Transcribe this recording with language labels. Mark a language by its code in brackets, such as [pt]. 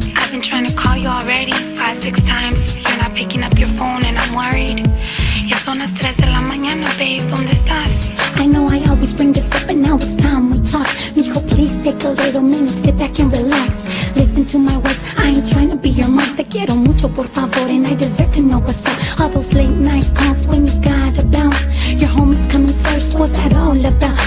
[en] I've been trying to call you already 5-6 times. You're not picking up your phone and I'm worried. [es] Ya son las 3 de la mañana, babe, ¿dónde estás? [en] I know I always bring this up, but now it's time we talk. Mijo, please take a little minute, sit back and relax. Listen to my words, I ain't trying to be your mom. [es] Te quiero mucho, por favor, [en] and I deserve to know what's up. All those late night calls when you gotta bounce. Your homies coming first, what's that all about?